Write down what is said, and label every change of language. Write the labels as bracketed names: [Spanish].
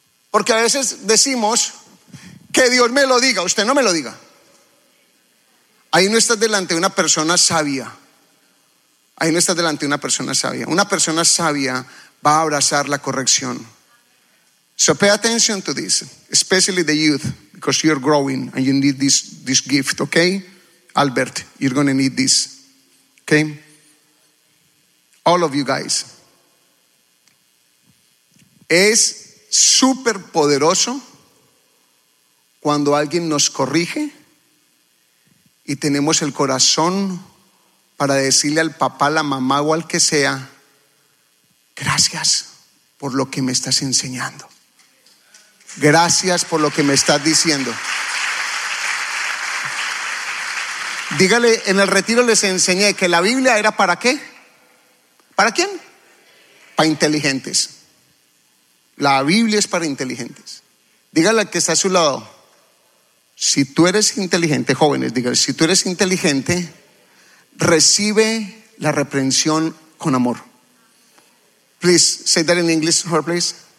[Spanish] Porque a veces decimos: que Dios me lo diga, usted no me lo diga. Ahí no estás delante de una persona sabia. Ahí no estás delante de una persona sabia. Una persona sabia va a abrazar la corrección. [English] So pay attention to this, especially the youth, because you're growing and you need this gift, okay? Albert, you're going to need this, okay? All of you guys. [Spanish] Es súper poderoso cuando alguien nos corrige y tenemos el corazón para decirle al papá, la mamá o al que sea: gracias por lo que me estás enseñando. Gracias por lo que me estás diciendo. Dígale: en el retiro les enseñé que la Biblia era ¿para qué? ¿Para quién? Para inteligentes. La Biblia es para inteligentes. Dígale al que está a su lado: si tú eres inteligente, jóvenes, dígale, si tú eres inteligente, recibe la reprensión con amor. [English] Please say that in English for her, please.